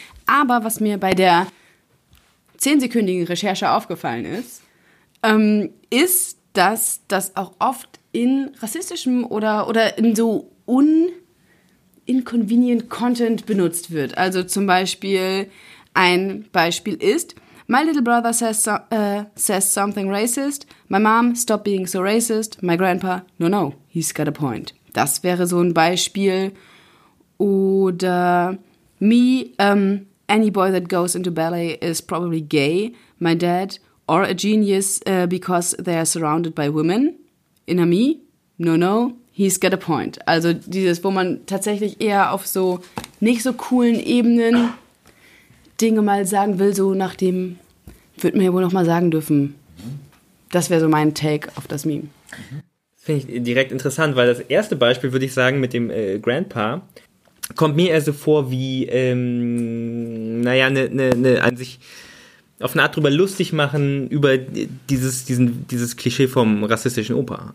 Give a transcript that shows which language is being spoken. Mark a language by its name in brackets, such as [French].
[German] Aber was mir bei der 10-sekündigen Recherche aufgefallen ist, ist, dass das auch oft in rassistischem oder in so inconvenient Content benutzt wird. Also zum Beispiel ein Beispiel ist, [English] my little brother says something racist. My mom, stop being so racist. My grandpa, no, no, he's got a point. [German] Das wäre so ein Beispiel. [English] Oder me, any boy that goes into ballet is probably gay. My dad, or a genius because they are surrounded by women. In a me, no, no, he's got a point. [German] Also dieses, wo man tatsächlich eher auf so nicht so coolen Ebenen Dinge mal sagen will, so nach dem, würde man ja wohl noch mal sagen dürfen. Das wäre so mein Take auf das Meme. Finde ich direkt interessant, weil das erste Beispiel, würde ich sagen, mit dem Grandpa, kommt mir eher so vor wie, an sich auf eine Art drüber lustig machen über dieses Klischee vom rassistischen Opa.